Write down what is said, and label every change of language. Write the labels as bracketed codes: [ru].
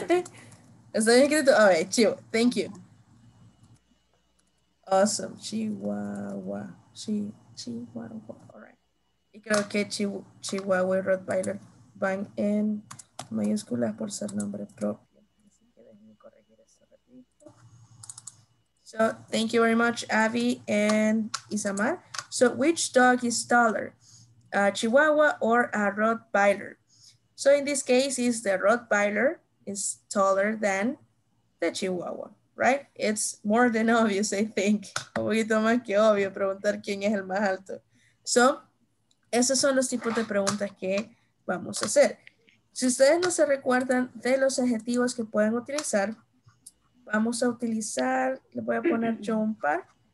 [es] Está bien escrito. [en] All right, chivo. Thank you. Awesome. Chihuahua. Chihuahua. All right. [es] Y creo que Chihuahua y Rottweiler van en mayúsculas por ser nombre propio. Así que déjenme corregir eso rapidito. [en] So, thank you very much, Abby and Isamar. So, which dog is taller? A Chihuahua or a Rottweiler? So, in this case, is the Rottweiler is taller than the Chihuahua. Right? It's more than obvious, I think. [es] Un poquito más que obvio preguntar quién es el más alto. So, esos son los tipos de preguntas que vamos a hacer. Si ustedes no se recuerdan de los adjetivos que pueden utilizar, vamos a utilizar, le voy a poner yo un par.